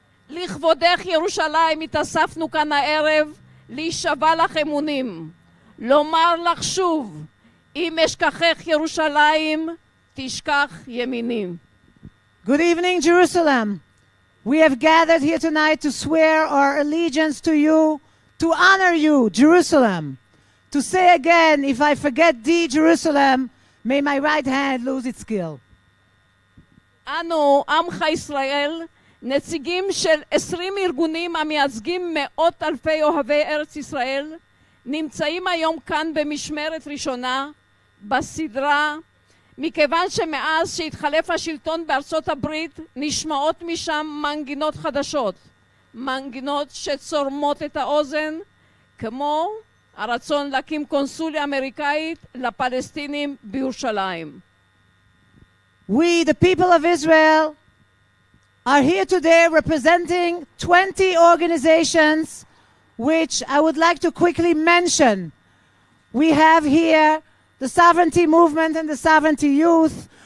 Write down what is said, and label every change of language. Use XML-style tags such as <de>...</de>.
<he>ולכבודך ירושלים התאספנו כאן הערב להישבע לך אמונים, לומר לך שוב, אם אשכחך ירושלים, תשכח ימינים.</he> <en>Good evening, Jerusalem. We have gathered here tonight to swear our allegiance to you, to honor you, Jerusalem. To say again, if I forget thee, Jerusalem, may my right hand lose its skill.</en> <he>אנו, עמך ישראל, נציגים של 20 ארגונים המייצגים מאות אלפי אוהבי ארץ ישראל, נמצאים היום כאן במשמרת ראשונה, בסדרה, מכיוון שמאז שהתחלף השלטון בארצות הברית, נשמעות משם מנגינות חדשות, מנגינות שצורמות את האוזן, כמו הרצון להקים קונסוליה אמריקאית לפלסטינים בירושלים.</he> <en>We, the people of Israel, are here today representing 20 organizations, which I would like to quickly mention. We have here the Sovereignty Movement and the Sovereignty Youth.</en>